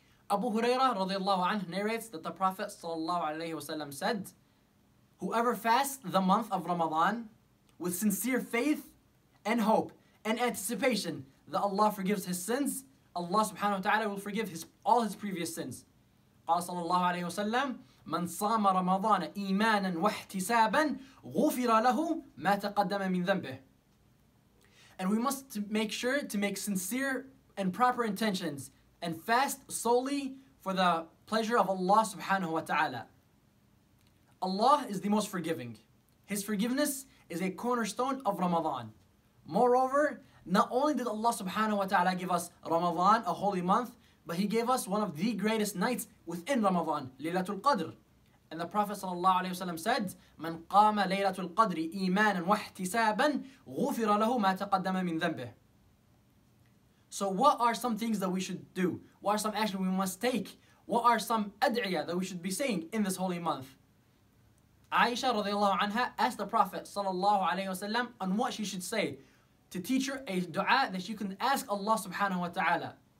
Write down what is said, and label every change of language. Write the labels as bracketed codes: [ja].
[en] Abu Hurairah radiallahu anhu narrates that the Prophet sallallahu alayhi wasallam said, whoever fasts the month of Ramadan with sincere faith and hope and anticipation that Allah forgives his sins, Allah subhanahu wa ta'ala will forgive all his previous sins. [ar] قال صلى الله عليه وسلم من صام رمضان إيمانا واحتسابا غفر له ما تقدم من ذنبه. [en] And we must make sure to make sincere and proper intentions and fast solely for the pleasure of Allah subhanahu wa ta'ala. Allah is the most forgiving. His forgiveness is a cornerstone of Ramadan. Moreover, not only did Allah subhanahu wa ta'ala give us Ramadan, a holy month, but He gave us one of the greatest nights within Ramadan, Laylatul Qadr. And the Prophet sallallahu alayhi wa sallam said, [ar] من قام ليلة القدر إيمانا واحتسابا غفر له ما تقدم من ذنبه. [en] So what are some things that we should do? What are some actions we must take? What are some ad'iyah that we should be saying in this holy month? Aisha radiallahu anha asked the Prophet sallallahu alayhi wa sallam on what she should say to teach her a dua that she can ask Allah subhanahu wa ta'ala.